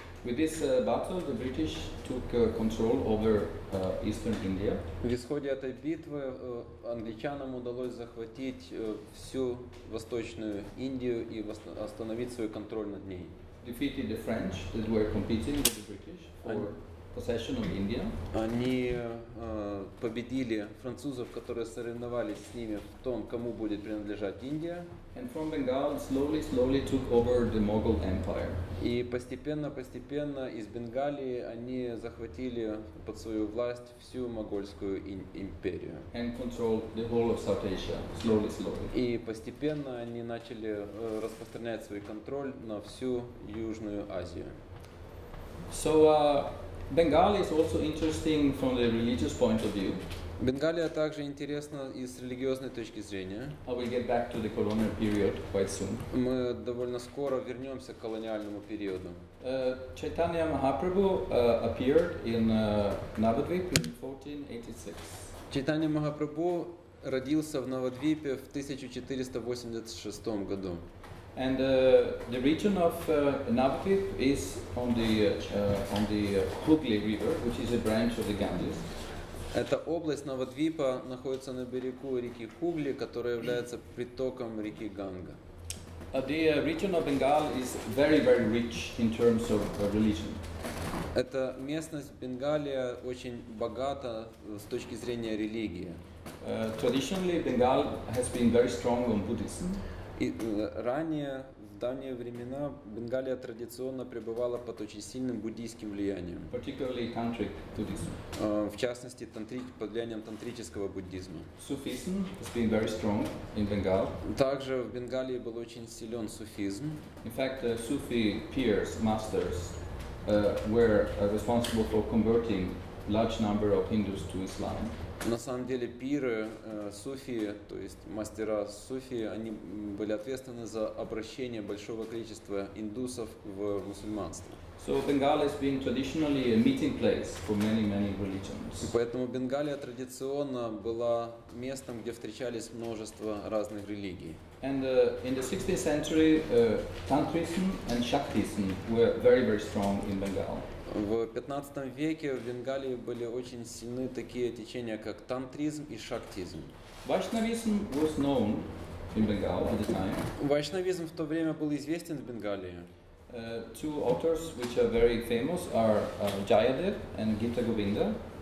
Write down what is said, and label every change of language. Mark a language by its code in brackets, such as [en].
[en] With this battle, the British took control over eastern India. [ru] В исходе этой битвы англичанам удалось захватить всю восточную Индию и остановить свой контроль над ней. [en] Defeated the French that were competing with the British for possession of India. [ru] Они победили французов, которые соревновались с ними в том, кому будет принадлежать Индия. [en] And from Bengal slowly, slowly took over the Mughal Empire. [ru] И постепенно, постепенно из Бенгалии они захватили под свою власть всю Могольскую империю. [en] And controlled the whole of South Asia slowly, slowly. [ru] И постепенно они начали распространять свой контроль на всю Южную Азию. [en] So Bengal is also interesting from the religious point of view. [ru] Бенгалия также интересна и с религиозной точки зрения. [en] I will get back to the colonial period quite soon. [ru] Мы довольно скоро вернемся к колониальному периоду. [en] Chaitanya Mahaprabhu appeared in Navadvip in 1486. [ru] Chaitanya Mahaprabhu родился в Навадвипе в 1486 году. [en] And the region of Navadvip is on the Hooghly River, which is a branch of the Ganges. [ru] Эта область Навадвипа находится на берегу реки Хугли, которая является притоком реки Ганга. [en] The region of Bengal is very, very rich in terms of religion. [ru] Эта местность Бенгалия очень богата с точки зрения религии. [en] Traditionally, Bengal has been very strong on Buddhism. [ru] И ранее, в давние времена, Бенгалия традиционно пребывала под очень сильным буддийским влиянием. [en] Particularly tantric Buddhism. [ru] В частности, под влиянием тантрического буддизма. [en] Sufism has been very strong in Bengal. [ru] Также в Бенгалии был очень силен суфизм. [en] In fact, Sufi peers, masters, were responsible for converting large number of Hindus to Islam. [ru] На самом деле пиры, суфии, то есть мастера суфии, они были ответственны за обращение большого количества индусов в мусульманство. [en] So Bengal has been traditionally a meeting place for many, many religions. [ru] И поэтому Бенгалия традиционно была местом, где встречались множество разных религий. [en] And in the 16th century, Tantrism and Shaktism were very, very strong in Bengal. [ru] В 15 веке в Бенгалии были очень сильны такие течения, как тантризм и шактизм. [en] Вайшнавизм was known in Bengal at the time. [ru] Вайшнавизм в то время был известен в Бенгалии. [en] Two authors which are very famous are Jayadev and Gita Govinda.